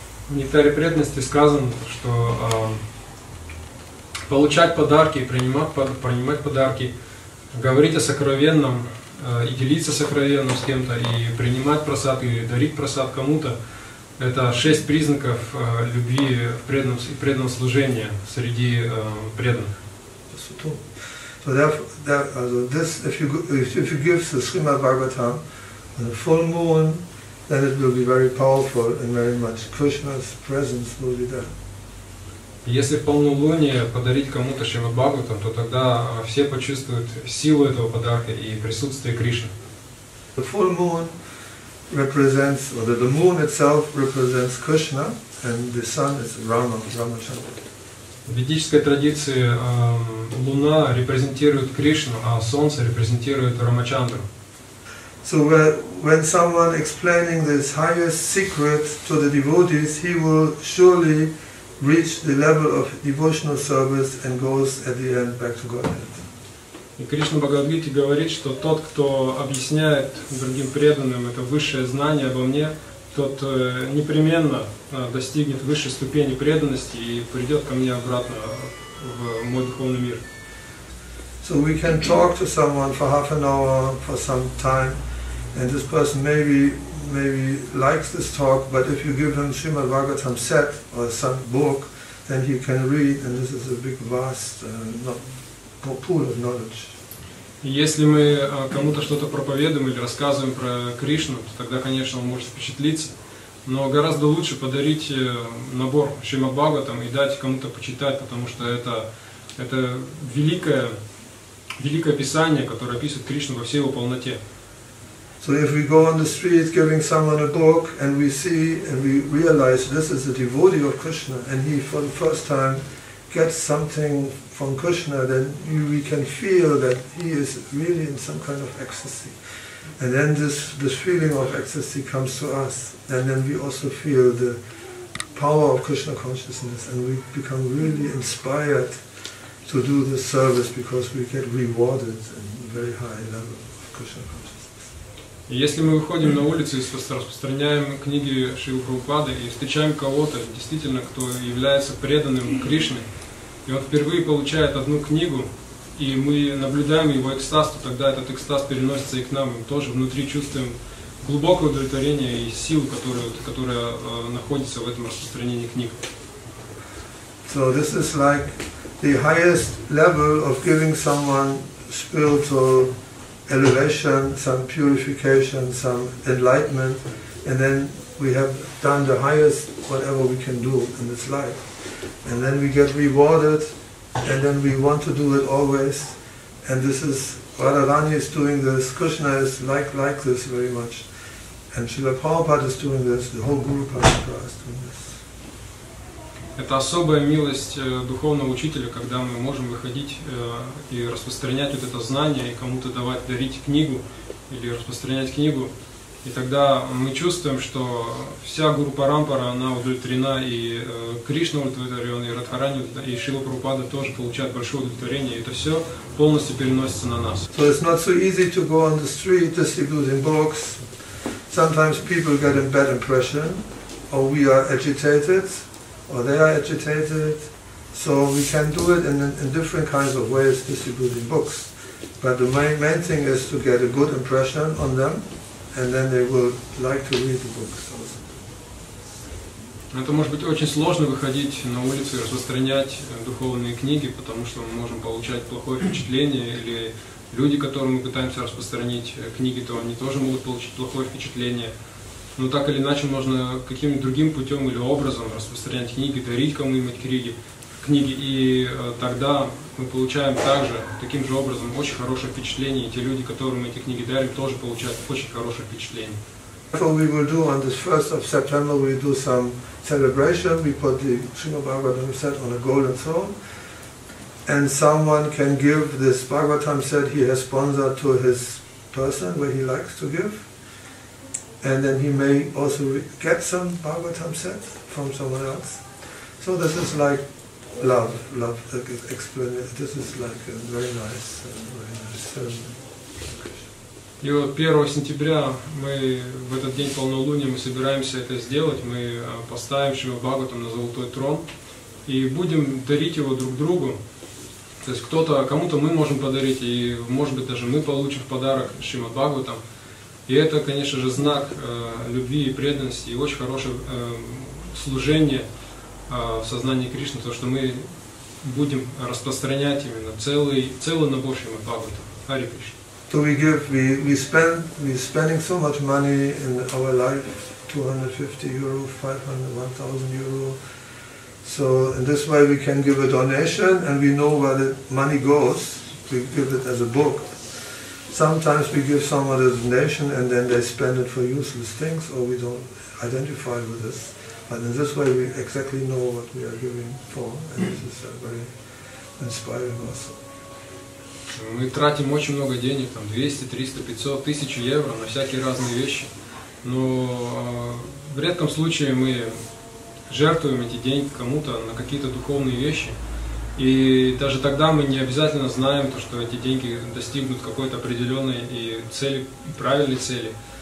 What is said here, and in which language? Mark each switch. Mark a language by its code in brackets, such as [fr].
[ru] В Нектаре преданности сказано, что получать подарки, принимать подарки, говорить о сокровенном и делиться сокровенным с кем-то, и принимать прасад, и дарить прасад кому-то, это шесть признаков любви и преданного служения среди преданных. [en] So if you give the Srimad Bhagavatam on a full moon, then it will be very powerful and very much Krishna's presence will be there. [ru] Если в полнолуние подарить кому-то Шримад Бхагаватам, то тогда все почувствуют силу этого подарка и присутствие Кришны. [en] The full moon represents, or the moon itself represents Krishna, and the sun is Rama, Ramachandra. [ru] В ведической традиции луна репрезентирует Кришну, а солнце репрезентирует Рамачандру. [en] So when someone explaining this highest secret to the devotees, he will surely reach the level of devotional service and goes at the end back to Godhead. [ru] И Кришна Бхагавадгите говорит, что тот, кто объясняет другим преданным это высшее знание обо мне, тот непременно достигнет высшей ступени преданности и придет ко мне обратно в мой духовный мир. [en] So we can talk to someone for half an hour, for some time, and this person maybe likes this talk, but if you give him Srimad Bhagavatam set or some book, then he can read, and this is a big vast pool of knowledge. [ru] Если мы кому-то что-то проповедуем или рассказываем про Кришну, то тогда, конечно, он может впечатлиться. Но гораздо лучше подарить набор Шримад Бхагаватам и дать кому-то почитать, потому что это великое писание, которое описывает Кришну во всей его полноте. [en] So if we go on the street giving someone a book and we see and we realize this is a devotee of Krishna and he for the first time get something from Krishna, then we can feel that he is really in some kind of ecstasy. And then this feeling of ecstasy comes to us, and then we also feel the power of Krishna consciousness, and we become really inspired to do this service because we get rewarded in a very high level of Krishna consciousness. [ru] Если мы выходим на улицу и распространяем книги Шрилы Прабхупады и встречаем кого-то, действительно, кто является преданным Кришне, и он впервые получает одну книгу, и мы наблюдаем его экстаз, то тогда этот экстаз переносится и к нам. Мы тоже внутри чувствуем глубокое удовлетворение и силу, которая находится в этом распространении книг. [en] So this is like the highest level of giving someone spiritual elevation, some purification, some enlightenment, and then we have done the highest whatever we can do in this life. And then we get rewarded, and then we want to do it always. And this is, Radharani is doing this, Krishna is like this very much. And Srila Prabhupada is doing this, the whole Guru Parampara is doing this. [ru] Это особая милость духовного учителя, когда мы можем выходить и распространять вот это знание и кому-то давать, дарить книгу или распространять книгу. И тогда мы чувствуем, что вся Гуру Парампара, она удовлетворена, и Кришна удовлетворен, и Радхарани, и Шрила Прабхупада тоже получают большое удовлетворение. И это все полностью переносится на нас. [en] So it's not so easy to go on the street distributing books. Sometimes people get a bad impression, or we are agitated, or they are agitated, so we can do it in different kinds of ways, distributing books. But the main thing is to get a good impression on them, and then they will like to read the books also. [ru] Это может быть очень сложно выходить на улицу и распространять духовные книги, потому что мы можем получать плохое впечатление, или люди, которым мы пытаемся распространить книги, то они тоже могут получить плохое впечатление. Но так или иначе можно каким-нибудь другим путем или образом распространять книги, дарить кому-нибудь книги, и тогда мы получаем также таким же образом очень хорошее впечатление, и те люди, которым мы эти книги дарим, тоже получают очень хорошее впечатление. [en] Therefore we will do on this 1st of September, we do some celebration, we put the Srimad Bhagavatam set on a golden throne, and someone can give this Bhagavatam set he has sponsored to his person, where he likes to give. And then he may also get some Bhagavatam set from someone else. So this is like love, like explanation. This is like a very nice ceremony. [ru] И вот 1 сентября мы в этот день полнолуния мы собираемся это сделать. Мы поставим Шрила Бхагаватам на золотой трон и будем дарить его друг другу. То есть кому-то мы можем подарить, и может быть даже мы получим в подарок Шрила Бхагаватам. И это, конечно же, знак любви и преданности, и очень хорошее служение в сознании Кришны, то, что мы будем распространять именно целый набор Шримад Бхагаватам. [en] Hare Krishna. So we give, we're spending so much money in our life, 250 euro, 500, 1000 euro. So in this way we can give a donation, and we know where the money goes. We give it as a book. Sometimes we give someone a donation and then they spend it for useless things, or we don't identify with this. But in this way we exactly know what we are giving for, and this is very inspiring also. [ru] Мы тратим очень много денег, там 200, 300, 500, 1000 евро на всякие разные вещи. Но в редком случае мы жертвуем эти деньги кому-то на какие-то духовные вещи. И даже тогда мы не обязательно знаем то, что эти деньги достигнут какой-то определенной и цели, правильной цели.